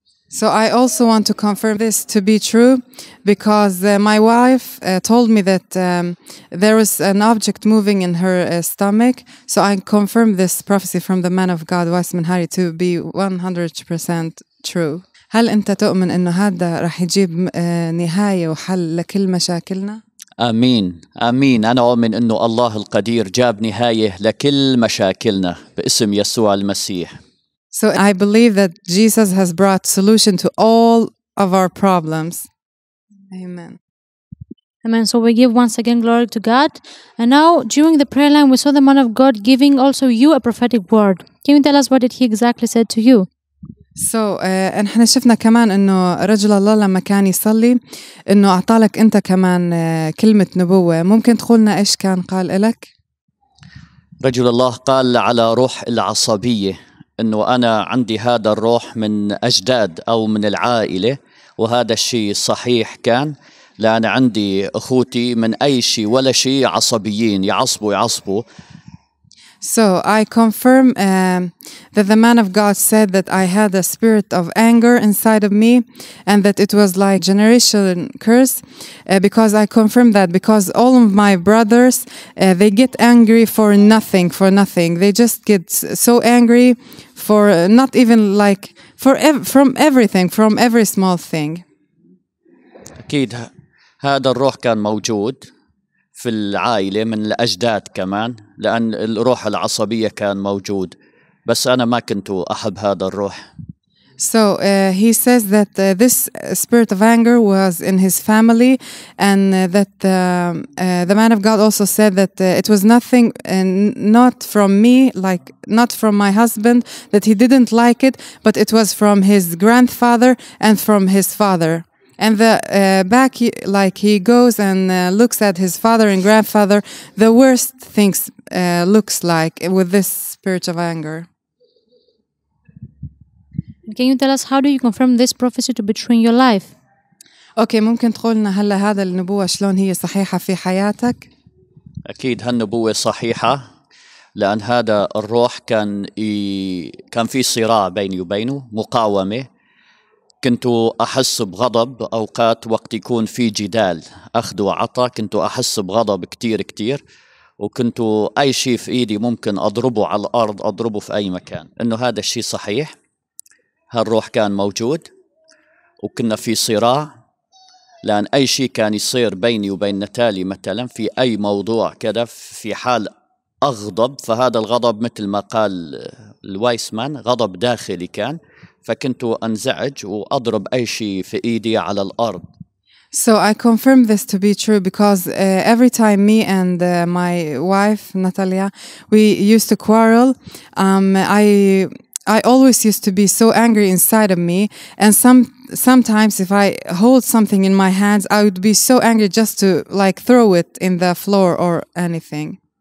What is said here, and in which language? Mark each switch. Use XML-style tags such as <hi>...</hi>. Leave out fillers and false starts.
<en>So I also want to confirm this to be true because my wife told me that there was an object moving in her stomach. So I confirm this prophecy from the man of God Weissman Harry to be 100% true.</en> <ar>هل أنت تؤمن إنه هذا راح يجيب نهاية وحل لكل مشاكلنا؟ آمين آمين أنا أؤمن إنه الله القدير جاب نهاية لكل مشاكلنا باسم يسوع المسيح.</ar> <en>So I believe that Jesus has brought solution to all of our problems. Amen. Amen. So we give once again glory to God. And now during the prayer line, we saw the man of God giving also you a prophetic word. Can you tell us what did he exactly said to you?</en> <ar>So احنا شفنا كمان انه رجل الله لما كان يصلي انه اعطالك انت كمان كلمة نبوة ممكن تقولنا ايش كان قال لك رجل الله قال على روح العصبية انه انا عندي هذا الروح من اجداد او من العائلة وهذا الشيء صحيح كان لان عندي اخوتي من اي شيء ولا شيء عصبيين يعصبوا</ar> <en>So I confirm that the man of God said that I had a spirit of anger inside of me and that it was like generation curse because I confirm that because all of my brothers, they get angry for nothing. They just get so angry for not even like from every small thing.</en> <ar>أكيد هذا الروح كان موجود. في العائلة من الأجداد كمان لأن الروح العصبية كان موجود بس أنا ما كنت أحب هذا الروح.</ar> <en>So he says that this spirit of anger was in his family and that the man of God also said that it was nothing and not from me like not from my husband that he didn't like it but it was from his grandfather and from his father. And the back, like he goes and looks at his father and grandfather, the worst things looks like with this spirit of anger. Can you tell us how do you confirm this prophecy to be true in your life?</en> <ar>Okay, ممكن تقولنا هلا هذا النبوة شلون هي صحيحة في حياتك؟ أكيد هالنبوة صحيحة لأن هذا الروح كان في صراع بيني وبينه مقاومة. كنت أحس بغضب أوقات وقت يكون في جدال أخذ وعطى كنت أحس بغضب كتير وكنت أي شيء في إيدي ممكن أضربه على الأرض أضربه في أي مكان إنه هذا الشيء صحيح هالروح كان موجود وكنا في صراع لأن أي شيء كان يصير بيني وبين نتالي مثلا في أي موضوع كده في حال أغضب فهذا الغضب مثل ما قال الوايسمان غضب داخلي كان فكنت أنزعج وأضرب أي شيء في إيدي على الأرض.</ar> <en>So I confirm this to be true because every time me and my wife Natalia we used to quarrel, I I always used to be so angry inside of me, and sometimes if I hold something in my hands, I would be so angry just to like throw it in the floor or anything.</en>